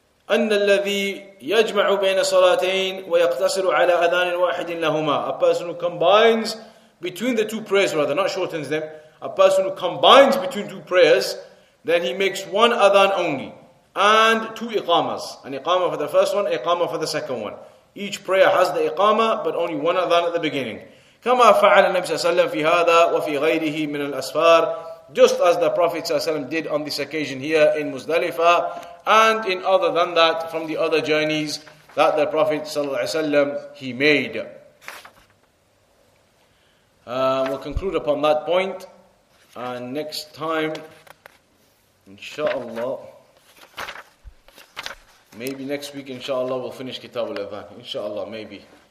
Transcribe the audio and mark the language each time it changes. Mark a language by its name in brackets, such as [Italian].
[Arabic] أن الذي يجمع بين صلاتين ويقتصر على أذان واحد لهما. [English] A person who combines between the two prayers, rather not shortens them. A person who combines between two prayers, then he makes one adhan only and two iqamas. An iqama for the first one, iqama for the second one. Each prayer has the iqama, but only one adhan at the beginning. [Arabic] كما فعل النبي صلى الله عليه وسلم في هذا وفي غيره من الأسفار. [English] Just as the Prophet ﷺ did on this occasion here in Muzdalifah and in other than that from the other journeys that the Prophet ﷺ he made. We'll conclude upon that point. And next time, inshallah, maybe next week, inshallah, we'll finish Kitab al-Adhan. Inshallah, maybe.